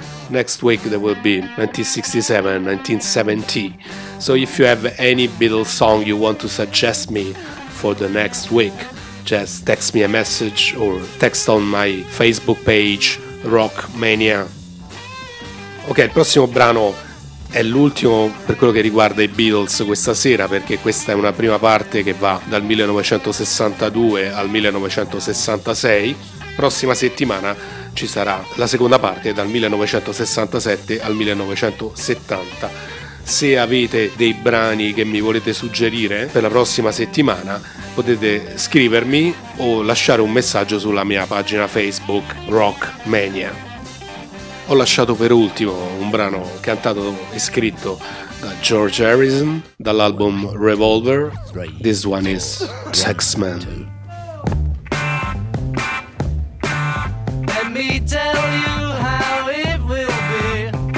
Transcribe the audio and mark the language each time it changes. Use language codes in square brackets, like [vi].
[en] Next week there will be 1967-1970. So if you have any Beatles song you want to suggest me for the next week, just text me a message or text on my Facebook page, Rock Mania. [it] Ok, il prossimo brano è l'ultimo per quello che riguarda i Beatles questa sera, perché questa è una prima parte che va dal 1962 al 1966. Prossima settimana ci sarà la seconda parte dal 1967 al 1970. Se avete dei brani che mi volete suggerire per la prossima settimana, potete scrivermi o lasciare un messaggio sulla mia pagina Facebook Rock Mania. Ho lasciato per ultimo un brano cantato e scritto da George Harrison dall'album Revolver. [en] This one is Sex Man. Let me tell you how it will be.